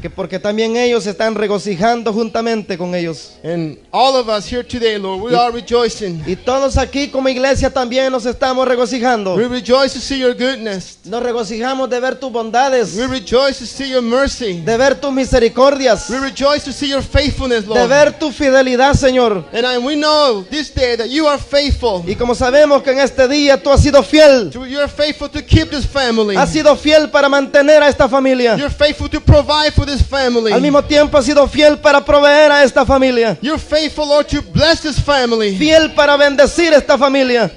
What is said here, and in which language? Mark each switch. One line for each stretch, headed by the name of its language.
Spanish: Que porque también ellos están regocijando juntamente con ellos.
English: And all of us here today, Lord, we are rejoicing.
Spanish: Y todos aquí como iglesia también nos estamos regocijando.
English: We rejoice to see your goodness.
Spanish: Nos regocijamos de ver tus bondades.
English: We rejoice to see your mercy.
Spanish: De ver tus misericordias.
English: We rejoice to see your faithfulness, Lord.
Spanish: De ver tu fidelidad, Señor.
English: And we know this day that you are faithful.
Spanish: Y como sabemos que en este día tú has sido fiel.
English: You are faithful to keep this family.
Spanish: Has sido fiel para mantener a esta familia.
English: You're faithful to provide for this family.
Spanish: Al mismo tiempo has sido fiel para proveer a esta familia.
English: You're faithful, Lord, to bless this family.
Spanish: Fiel para bendecir esta familia.